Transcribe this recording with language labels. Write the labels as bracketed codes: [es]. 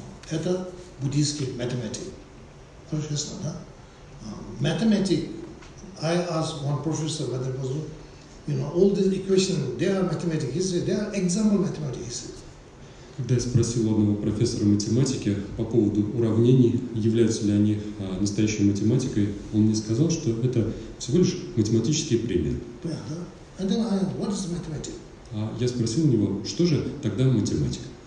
[ru] Это буддийский математик. Профессор, да? Математик. [en] I asked one professor whether it was, you know, all these equations, they are mathematics. He said, they are example mathematics, he said. [ru] Когда я спросил одного профессора математики по поводу уравнений, являются ли они настоящей математикой, он мне сказал, что это всего лишь математический пример. А я спросил у него, что же тогда математика?